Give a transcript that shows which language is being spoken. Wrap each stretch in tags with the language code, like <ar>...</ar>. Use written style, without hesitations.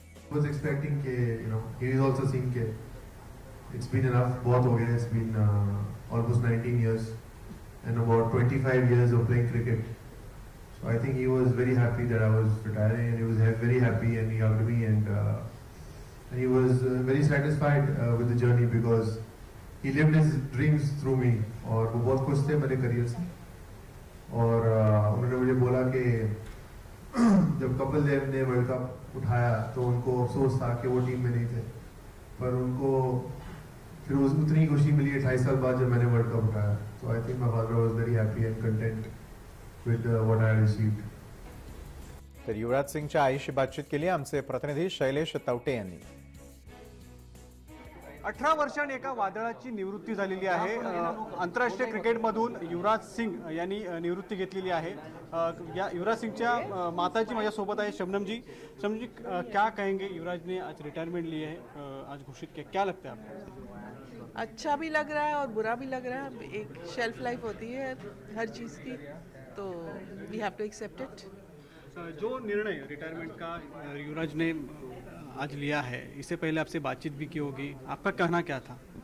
<en>I was expecting ke, you know, he is also seeing ke, it's been enough,</en> <hi>bahut ho gaya,</hi> <en>it's been almost 19 years and about 25 years of playing cricket. So I think he was very happy that I was retiring and he was very happy and he hugged me and he was very satisfied with the journey because he lived his dreams through me.</en> <hi>Aur wo bahut khush the mere career se. Aur unhone mujhe bola ke जब कपिल देव ने world cup उठाया तो उनको अफसोस था कि वो team में नहीं थे, पर उनको फिर उतनी खुशी मिली 28 साल बाद जब मैंने वर्ल्ड कप उठाया.</hi> <en>So I think my father was very happy and content with what I received.</en> <mr>तर युवराज सिंगच्या आईशी बातचीत केली आमचे प्रतिनिधी शैलेश तवटे यांनी. 18 वर्षांनी एका वादळाची निवृत्ती झालेली आहे. आंतरराष्ट्रीय क्रिकेटमधून युवराज सिंग यांनी निवृत्ती घेतलेली आहे. या युवराज सिंगच्या माताजी माझ्यासोबत आहे, शबनमजी.</mr> <hi>शबनमजी, क्या कहेंगे युवराजने आज रिटायरमेंट लिए है, आज घोषित किया, क्या लगता है आपको? अच्छा भी लग रहा है और बुरा भी लग रहा है. एक शेल्फ लाइफ होती है हर चीज की, तो</hi> <en>We have to accept it.</en> <hi>जो निर्णय रिटायरमेंट का युवराज ने आज लिया है, इससे पहले आपसे बातचीत भी की होगी, आपका कहना क्या था?</hi>